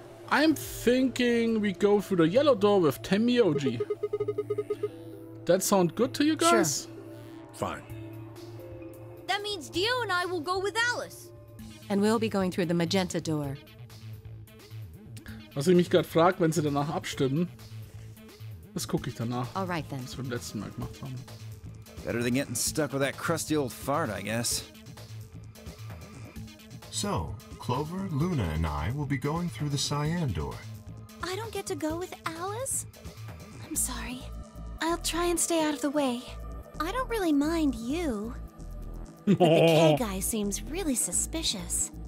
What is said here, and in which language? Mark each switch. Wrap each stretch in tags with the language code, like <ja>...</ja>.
<en>I'm thinking we go through the yellow door with Ten Mioldi. That sound good to you guys? Sure. Fine. That means Dio and I will go with Alice. And we'll be going through the magenta door.</en> <de>Was ich mich gerade frage, wenn sie danach abstimmen, das gucke ich danach.</de> <en>All right then.</en> <de>Was wir beim letzten Mal gemacht haben.</de> <en>Better than getting stuck with that crusty old fart, I guess. So, Clover, Luna and I will be going through the cyan door. I don't get to go with Alice? I'm sorry. I'll try and stay out of the way. I don't really mind you, but the K guy seems really suspicious.</en>